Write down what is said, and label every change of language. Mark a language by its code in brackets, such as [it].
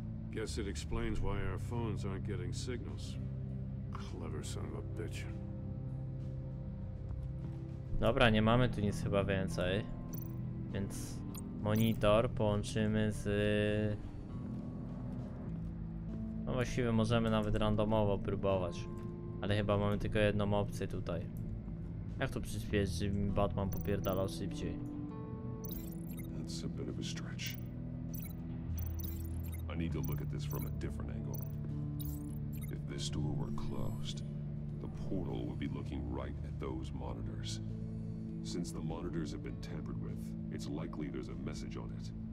[en] Guess it explains why our phones aren't getting signals. Clever son of a bitch. [pl] Dobra, nie mamy tu nic chyba więcej. Więc monitor połączymy z... No właściwie możemy nawet randomowo próbować. Ale chyba mamy tylko jedną opcję tutaj. Jak to przyspieszyć, żeby mi Batman popierdalał szybciej? [en] That's a bit of a stretch. I need to look at this from a different angle. If this door were closed, the portal would be looking right at those monitors. Since the monitors have been tampered with, it's likely there's a message on it.